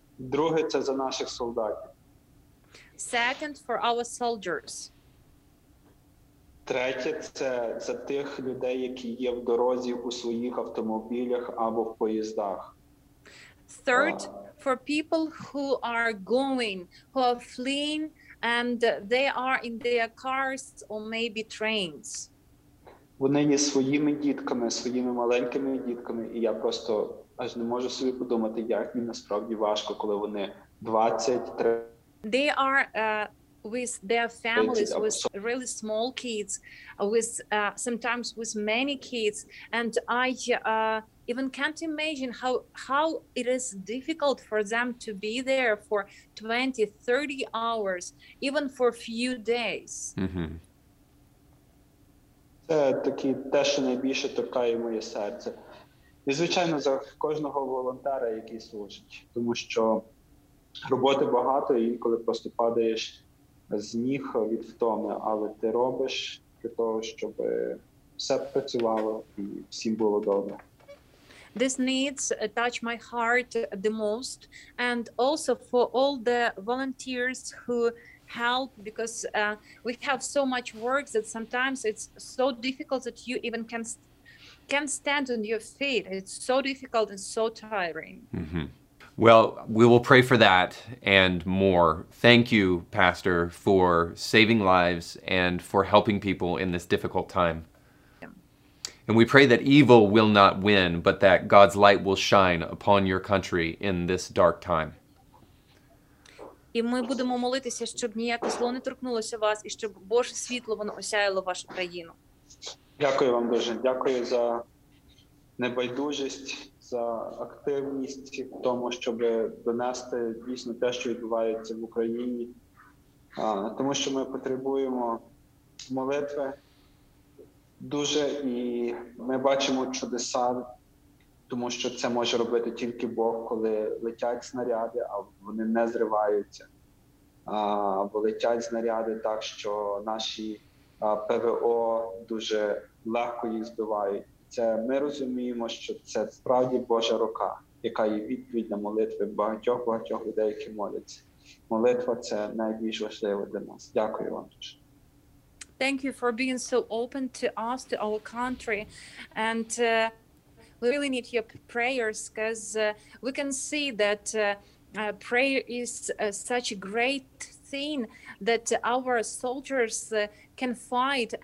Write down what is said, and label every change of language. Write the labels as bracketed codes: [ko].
[uk] Друге, це за наших солдатів. [en] Second, for our soldiers. [uk] Третє, це за тих людей, які є в дорозі у своїх автомобілях або в поїздах. [en] Third, for people who are going, who are fleeing, and they are in their cars or maybe trains. [uk] Вони є своїми дітками, своїми маленькими дітками, і я просто аж не можу собі подумати, як їм насправді важко, коли вони 20-30. [en] They are with their families, with really small kids, with sometimes with many kids, and I even can't imagine how it is difficult for them to be there for 20-30 hours, even for a few days. Mm-hmm. [uk] Це такі те, що найбільше торкає моє серце. І, звичайно, за кожного волонтера, який служить, тому що роботи багато, і інколи просто падаєш з ніг від втоми, але ти робиш для того, щоб все працювало і всім було добре. [en] This needs touch my heart the most, and also for all the volunteers who help, because we have so much work that sometimes it's so difficult that you even can stand on your feet. It's so difficult and so tiring. Mm-hmm. Well, we will pray for that and more. Thank you, Pastor, for saving lives and for helping people in this difficult time. Yeah. And we pray that evil will not win, but that God's light will shine upon your country in this dark time. [uk] І ми будемо молитися, щоб ніяке зло не торкнулося вас, і щоб Боже світло, воно осяяло вашу країну. Дякую вам дуже. Дякую за небайдужість, за активність в тому, щоб донести дійсно те, що відбувається в Україні. Тому що ми потребуємо молитви дуже, і ми бачимо чудеса, тому що це може робити тільки Бог, коли летять снаряди, а вони не зриваються. Або летять снаряди так, що наші ПВО дуже легко їх збивають. Це ми розуміємо, що це справді Божа рука, яка є відповідь на молитви багатьох-багатьох людей, які моляться. Молитва – це найбільш важливе для нас. Дякую вам дуже. [en] Thank you for being so open to us, to our country. And we really need your prayers, because we can see that prayer is such a great thing that our soldiers can fight.